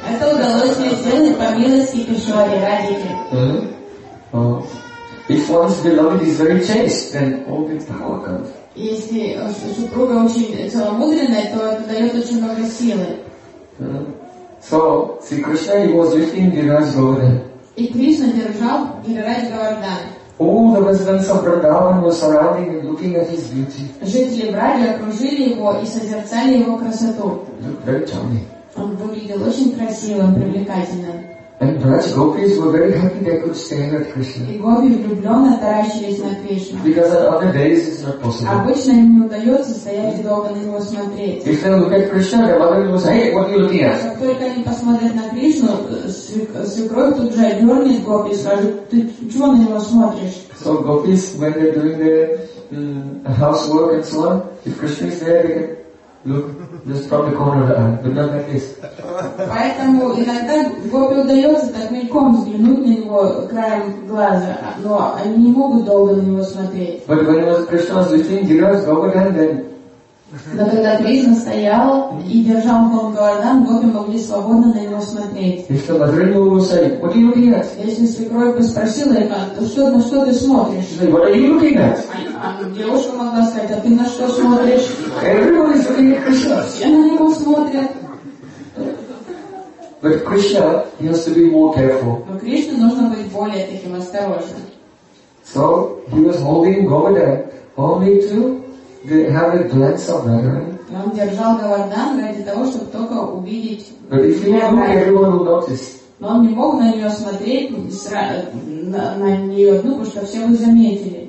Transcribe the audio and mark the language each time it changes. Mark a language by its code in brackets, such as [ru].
[ru] Это удалось мне сделать по милости Кришоре Радхике. [en] If one's beloved is very chaste, then all the power comes. [ru] Если супруга очень целомудренная, то это дает очень много силы. [en] So, Sri Krishna was with him in Raj Govardhan. [ru] И Кришна держал Гирирадж Говардхан. [en] All the residents of Vrindavan were surrounding and looking at his beauty. [ru] Жители Враги окружили его и созерцали его красоту. [en] Very charming. [ru] Он выглядел очень красивым, привлекательным. [en] And Braj Gopis were very happy they could stand at Krishna. [ru] И гопи влюбленно таращились на Кришну. [en] Because at other days it's not possible. [ru] Обычно им не удается стоять долго на него смотреть. [en] If they look at Krishna, their mother will say, "Hey, what are you looking at?" [ru] Как только они посмотрят на Кришну, свекровь тут же отдернет гопи и скажет, "Ты чего на него смотришь?" [en] So gopis, when they're doing their housework and so on, if Krishna is there, they can look just from the corner of the eye, but not like this. [ru] Поэтому иногда гопи удается так мельком взглянуть на него краем глаза, но они не могут долго на него смотреть. [en] But when was Krishna sitting, Giras Govardhan then? [ru] Но когда Кришна стоял и держал пол Говардхан, гопи могли свободно на него смотреть. [en] If the Madhurima will say, what are you looking at? [ru] Если свекровь бы спросила его, что на что ты смотришь? [en] What are you looking at? [ru] Девушка могла сказать, а ты на что смотришь? [en] Everyone is looking at Krishna. [ru] Все на него смотрят. [en] But Krishna, he has to be more careful. [ru] Но Кришне нужно быть более таким осторожным. [en] So he was holding Govardhan only to have a glance of Radharani. [ru] Он держал Говардхан ради того, чтобы только увидеть. [en] But if he look, everyone will notice. [ru] Но он не мог на нее смотреть на нее одну, потому что все бы заметили.